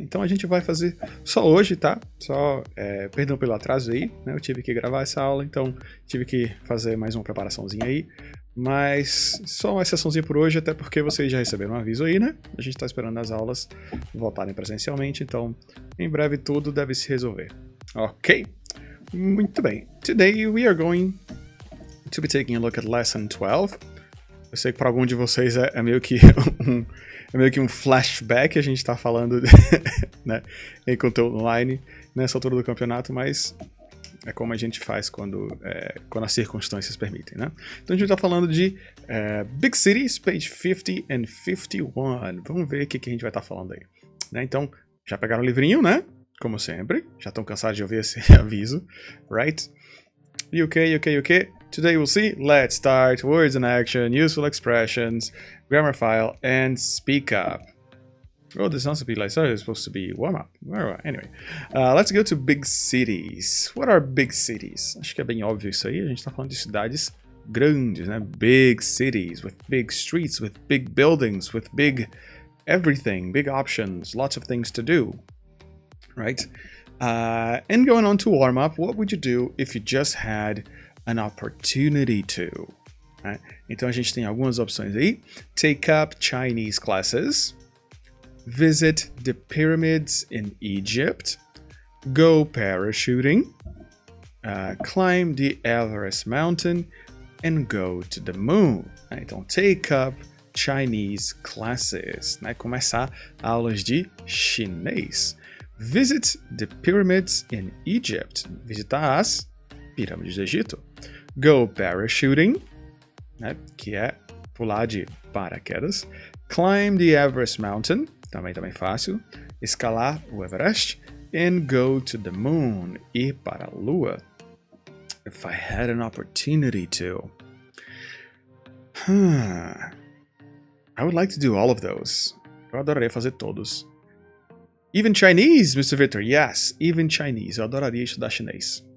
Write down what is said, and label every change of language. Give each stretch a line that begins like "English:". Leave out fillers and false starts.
Portuguese: Então a gente vai fazer só hoje, tá? Perdão pelo atraso aí, né? Eu tive que gravar essa aula, então tive que fazer mais uma preparaçãozinha aí. Mas só uma exceçãozinha por hoje, até porque vocês já receberam um aviso aí, né? A gente tá esperando as aulas voltarem presencialmente, então em breve tudo deve se resolver. Ok? Muito bem.
English: Today we are going to be taking a look at lesson 12.
Portuguese: Eu sei que para algum de vocês é meio que um flashback, a gente tá falando de, né, em conteúdo online nessa altura do campeonato, mas é como a gente faz quando as circunstâncias permitem, né? Então a gente tá falando de
English: Big Cities, page 50 and 51.
Portuguese: Vamos ver o que a gente vai estar tá falando aí. Né? Então, já pegaram o livrinho, né? Como sempre. Já estão cansados de ouvir esse aviso, right? Ok.
English: Today we'll see, let's start, words in action, useful expressions, grammar file, and speak up. Oh, this sounds a bit like, sorry, it's supposed to be warm-up. Anyway, let's go to big cities. What are big cities?
Portuguese: Acho que é bem óbvio isso aí. A gente tá falando de cidades grandes, né?
English: Big cities, with big streets, with big buildings, with big everything, big options, lots of things to do, right? And going on to warm-up, what would you do if you just had an opportunity to?
Portuguese: Né? Então, a gente tem algumas opções aí.
English: Take up Chinese classes. Visit the pyramids in Egypt. Go parachuting. Climb the Everest Mountain. And go to the moon. Então, take up Chinese classes. Né?
Portuguese: Começar aulas de chinês.
English: Visit the pyramids in Egypt.
Portuguese: Visitar as pirâmides do Egito.
English: Go parachuting.
Portuguese: Né? Que é pular de paraquedas.
English: Climb the Everest Mountain.
Portuguese: Também fácil. Escalar o Everest.
English: And go to the moon.
Portuguese: Ir para a lua.
English: If I had an opportunity to. I would like to do all of those.
Portuguese: Eu adoraria fazer todos.
English: Even Chinese, Mr. Vítor. Yes, even Chinese.
Portuguese: Eu adoraria estudar chinês.